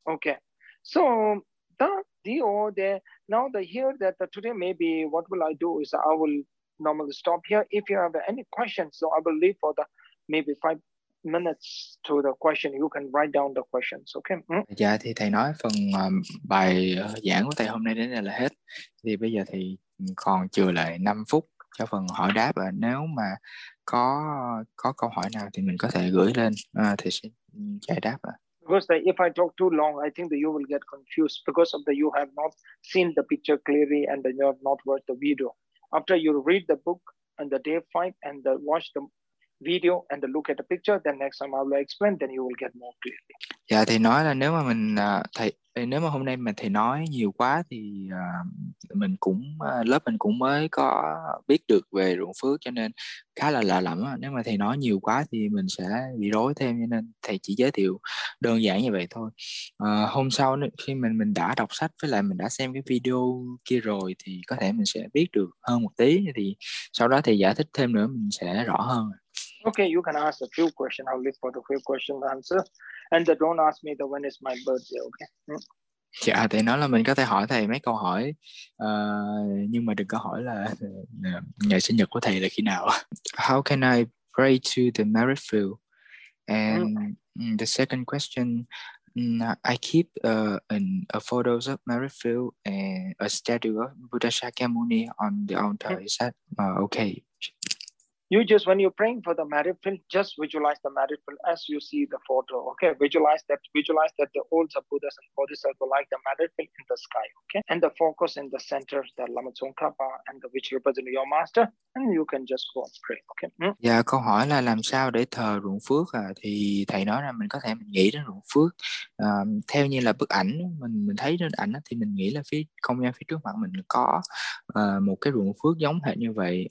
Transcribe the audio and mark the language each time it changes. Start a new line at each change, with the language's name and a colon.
English: Okay, so the all there now the here that the today maybe what will I do is I will normally stop here. If you have any questions, so I will leave for the maybe 5 minutes to the question. You can write down the questions. Okay.
Vietnamese: Dạ, thì thầy nói phần bài giảng của thầy hôm nay đến đây là hết. Thì bây giờ thì còn chừa lại 5 phút cho phần hỏi đáp. Nếu mà có câu hỏi nào thì mình có thể gửi lên thầy sẽ giải đáp.
English: Because if I talk too long, I think that you will get confused because of the you have not seen the picture clearly and then you have not watched the video. After you read the book and the day 5 and the watch the video and the look at the picture, then next time I will explain, then you will get more clearly.
Vietnamese: Yeah, thầy nói là nếu mà mình thầy Nếu mà hôm nay mà thầy nói nhiều quá thì mình cũng lớp mình cũng mới có biết được về ruộng phước cho nên khá là lạ lẫm á. Nếu mà thầy nói nhiều quá thì mình sẽ bị rối thêm cho nên thầy chỉ giới thiệu đơn giản như vậy thôi. Hôm sau khi mình đã đọc sách với lại mình đã xem cái video kia rồi thì có thể mình sẽ biết được hơn một tí, thì sau đó thầy giải thích thêm nữa mình sẽ rõ hơn.
English: Okay, you can ask a few questions. I'll leave for the few questions answer. And don't ask me the when is my birthday, okay?
Vietnamese: Dạ, thầy nói là mình có thể hỏi thầy mấy câu hỏi, nhưng mà đừng có hỏi là ngày sinh nhật của thầy là khi nào.
English: How can I pray to the merit field? And the second question, I keep a photos of merit field and a statue of Buddha Shakyamuni on the altar. Is that okay? You just, when you're praying for the merit field, just visualize the merit field as you see the photo, okay? Visualize that the old Buddhas and Bodhisattvas like the merit field in the sky, okay? And the focus in the center, the Lama Tsongkhapa and the which represent your master, and you can just go and pray, okay?
Vietnamese: Dạ, câu hỏi là làm sao để thờ ruộng phước à? Thì thầy nói là mình có thể mình nghĩ đến ruộng phước, theo như là bức ảnh mình thấy trên ảnh đó, thì mình nghĩ là phía không gian phía trước mặt mình có một cái ruộng phước giống hệt như vậy.